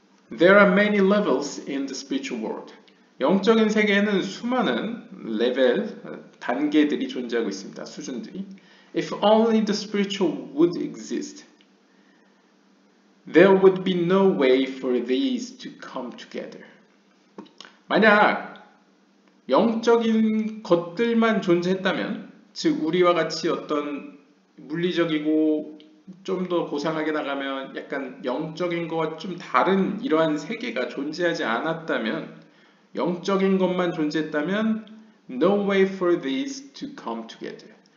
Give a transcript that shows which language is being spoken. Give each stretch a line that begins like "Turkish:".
English: There are many levels in the spiritual world.
Korean: 영적인 세계에는 수많은 레벨, 단계들이 존재하고 있습니다. 수준들이.
English: If only the spiritual would exist, there would be no way for these to come together.
Korean: 만약 영적인 것들만 존재했다면, 즉 우리와 같이 어떤 물리적이고 좀 더 고상하게 나가면 약간 영적인 것과 좀 다른 이러한 세계가 존재하지 않았다면, 영적인 것만 존재했다면
English: no way for these to come together.